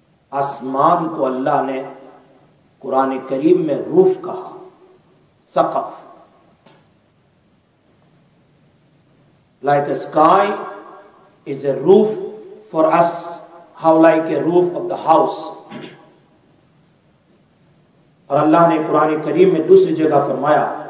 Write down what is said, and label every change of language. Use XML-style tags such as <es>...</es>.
<ur>آسمان کو اللہ نے قرآن کریم میں روف کہا.</ur> <ar>سقف.</ar> <en>Like a sky is a roof for us. How like a roof of the house.</en> <ur>اور اللہ نے قرآن کریم میں دوسری جگہ فرمایا</ur>